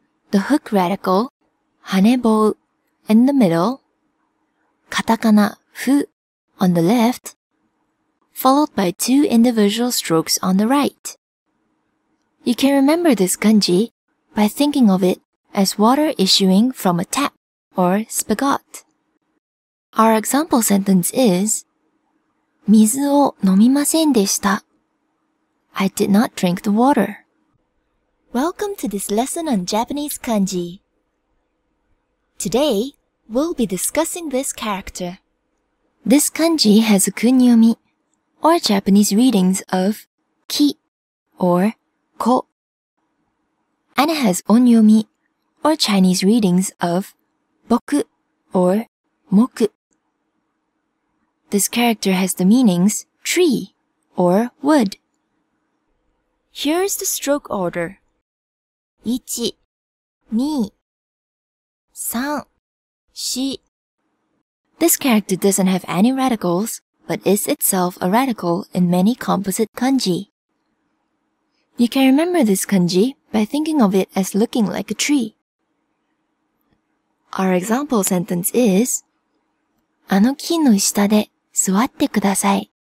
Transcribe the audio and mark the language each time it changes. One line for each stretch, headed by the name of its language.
English: The hook radical, hanebou, in the middle, katakana fu, on the left, followed by two individual strokes on the right. You can remember this kanji by thinking of it as water issuing from a tap or spigot. Our example sentence is,
Japanese: 水を飲みませんでした.
English: I did not drink the water. Welcome to this lesson on Japanese kanji. Today, we'll be discussing this character. This kanji has a kun-yomi, or Japanese readings of ki or ko. And it has on-yomi, or Chinese readings of boku or moku. This character has the meanings tree or wood. Here is the stroke order. 1, 2, 3, 4. This character doesn't have any radicals, but is itself a radical in many composite kanji. You can remember this kanji by thinking of it as looking like a tree. Our example sentence is,
Japanese: あの木の下で座ってください.